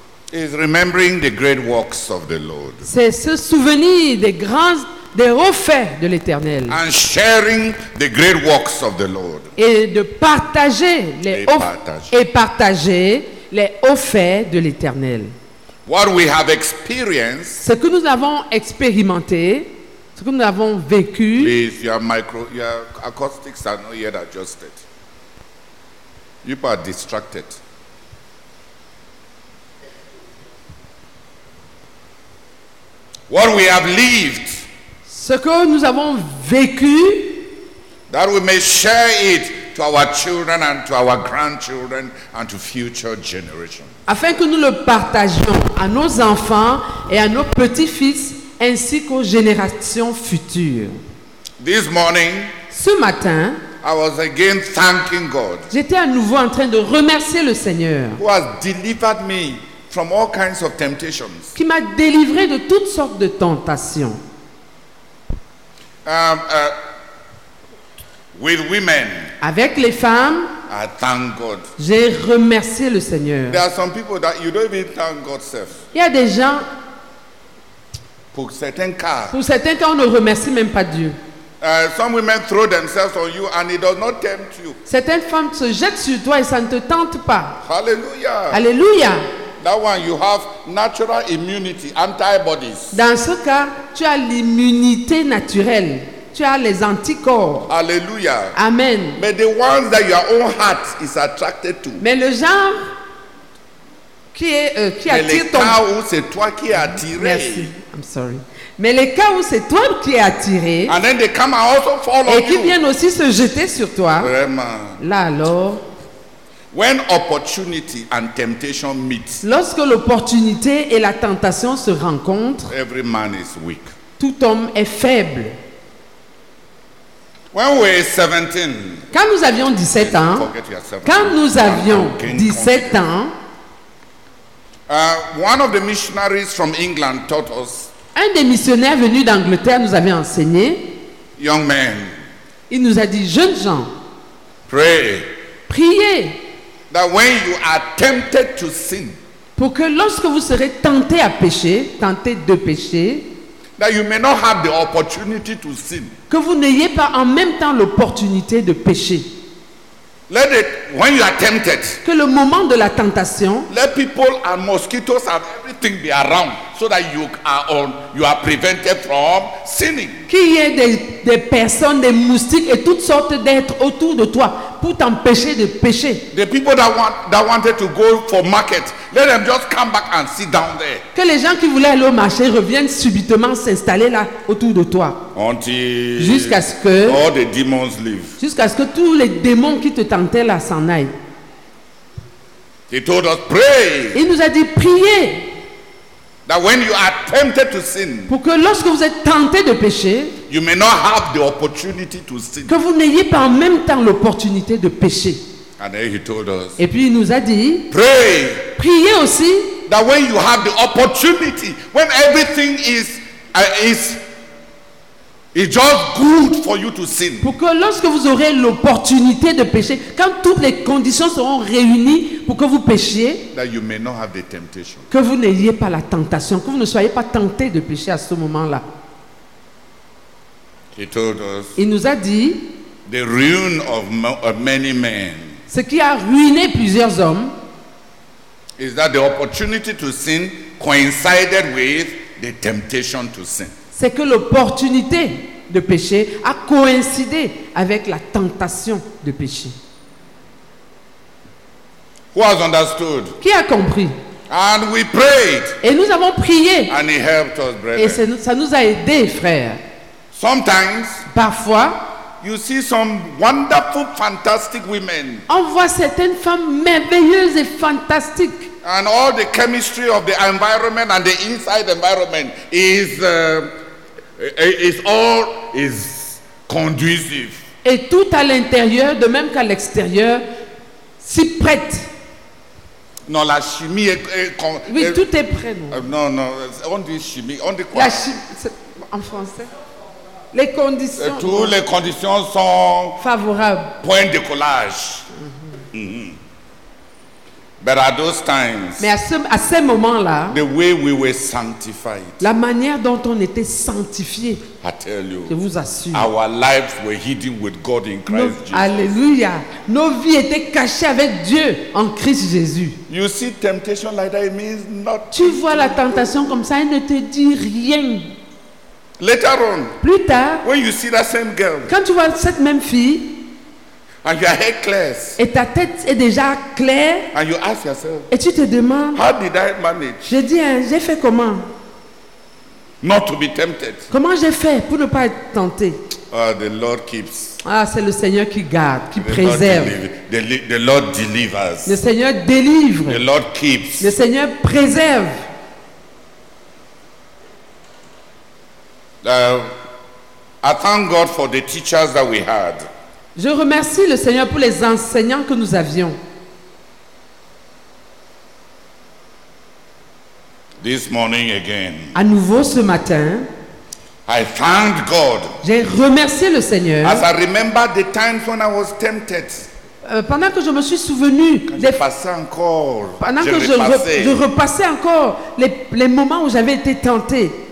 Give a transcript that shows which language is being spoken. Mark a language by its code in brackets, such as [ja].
[en] Is remembering the great works of the Lord. [fr] C'est se souvenir des grands des refaits de l'Éternel. [en] And sharing the great works of the Lord. [fr] Et de partager les faits de l'Éternel. [en] What we have experienced. [fr] Ce que nous avons expérimenté. Ce que nous avons vécu. [en] Please, your acoustics are not yet adjusted. You are distracted. What we have lived. [fr] Ce que nous avons vécu. [en] That we may share it to our children and to our grandchildren and to future generations. [fr] Afin que nous le partagions à nos enfants et à nos petits-fils ainsi qu'aux générations futures. [en] This morning, [fr] ce matin, [en] I was again thanking God. [fr] J'étais à nouveau en train de remercier le Seigneur. [en] Who has delivered me from all kinds of temptations. [fr] Qui m'a délivré de toutes sortes de tentations. [en] With women, [fr] avec les femmes, [en] I thank God. [fr] J'ai remercié le Seigneur. [en] There are some people that you don't even thank God self. [fr] Il y a des gens. Pour certains cas. Pour certains cas, on ne remercie même pas Dieu. [en] Some women throw themselves on you and it does not tempt you. [fr] Certaines femmes se jettent sur toi et ça ne te tente pas. Hallelujah. Hallelujah. [en] That one, you have natural immunity, antibodies. [fr] Dans ce cas, tu as l'immunité naturelle. Tu as les anticorps. Hallelujah. Amen. [en] But the ones that your own heart is attracted to. [fr] Mais le genre qui est qui mais attire les ton. Cas où c'est toi qui es attiré. Merci. [en] I'm sorry. [fr] Mais les cas où c'est toi qui es attiré. [en] And then they come and also fall on you. [fr] Et qui viennent aussi se jeter sur toi. Vraiment. Là alors. [en] When opportunity and temptation meet. [fr] Lorsque l'opportunité et la tentation se rencontrent. [en] Every man is weak. [fr] Tout homme est faible. [en] When we were 17, [fr] quand nous avions 17 ans, quand nous avions 17 ans, [en] one of the missionaries from England taught us. [fr] Un des missionnaires venus d'Angleterre nous avait enseigné. [en] Young men, [fr] il nous a dit, jeunes gens, [en] pray, [fr] priez, [en] that when you are tempted to sin, [fr] pour que lorsque vous serez tentés à pécher, tentés de pécher, [en] that you may not have the opportunity to sin. [fr] Que vous n'ayez pas en même temps l'opportunité de pécher. [en] Let it, when you are tempted, [fr] que le moment de la tentation. [en] Let people and mosquitoes and everything be around so that you are prevented from sinning. [fr] Qu'il y ait des personnes, des moustiques et toutes sortes d'êtres autour de toi pour t'empêcher de pécher. [en] The people that wanted to go for market, let them just come back and sit down there. [fr] Que les gens qui voulaient aller au marché reviennent subitement s'installer là autour de toi. [en] Until [fr] jusqu'à ce que [en] all the demons leave. [fr] Jusqu'à ce que tous les démons qui te tentaient là s'en aillent. [en] He told us pray. [fr] Il nous a dit priez. [en] That when you are tempted to sin, [fr] pour que lorsque vous êtes tenté de pécher, [en] you may not have the opportunity to sin. [fr] Que vous n'ayez pas en même temps l'opportunité de pécher. [en] And then he told us, [fr] et puis il nous a dit, [en] pray, [fr] priez aussi, [en] that when you have the opportunity, when everything is just good for you to sin. [fr] Pour que lorsque vous aurez l'opportunité de pécher, quand toutes les conditions seront réunies pour que vous péchiez, [en] that you may not have the temptation. [fr] Que vous n'ayez pas la tentation, que vous ne soyez pas tenté de pécher à ce moment-là. [en] He told us, [fr] il nous a dit, [en] the ruin of many men. [fr] Ce qui a ruiné plusieurs hommes. [en] is that the opportunity to sin coincided with the temptation to sin. [fr] C'est que l'opportunité de pécher a coïncidé avec la tentation de pécher. [en] Who has understood? [fr] Qui a compris? [en] And we prayed. [fr] Et nous avons prié. [en] And he helped us, brethren. [fr] Et ça nous a aidé, frère. [en] Sometimes, [fr] parfois, [en] you see some wonderful, fantastic women. [fr] On voit certaines femmes merveilleuses et fantastiques. [en] And all the chemistry of the environment and the inside environment is conducive. [fr] Et tout à l'intérieur, de même qu'à l'extérieur, s'y prête. Non, la chimie est oui, tout est prêt. Non, on dit chimie, on dit quoi? En français. Les conditions. Toutes les conditions sont favorables. Point de collage. [en] Mm-hmm. Mm-hmm. But at those times, [fr] mais à ce moment-là, [en] the way we were sanctified, [fr] la manière dont on était sanctifié, [en] I tell you, [fr] je vous assure, [en] our lives were hidden with God in Christ Jesus. [fr] Alléluia! Nos vies étaient cachées avec Dieu en Christ Jésus. [en] You see temptation like that, it means not. [fr] Tu vois la tentation comme ça, elle ne te dit rien. [en] Later on, [fr] plus tard, [en] when you see that same girl, [fr] quand tu vois cette même fille. [en] And your head clears. [fr] Et ta tête est déjà claire. [en] And you ask yourself, [fr] et tu te demandes. [en] How did I manage? [fr] Je dis, j'ai fait comment? [en] Not to be tempted. [fr] Comment j'ai fait pour ne pas être tenté? [en] The Lord keeps. [fr] Ah, c'est le Seigneur qui garde, qui [en] the [fr] préserve. [en] Lord the Lord delivers. [fr] Le Seigneur délivre. [en] The Lord keeps. [fr] Le Seigneur préserve. [en] I thank God for the teachers that we had. [fr] Je remercie le Seigneur pour les enseignants que nous avions. [en] This morning again, [fr] à nouveau ce matin, [en] I thank God. [fr] J'ai remercié le Seigneur. [en] As I remember the times when I was tempted. [fr] Pendant que je me suis souvenu, je repassais encore les moments où j'avais été tenté.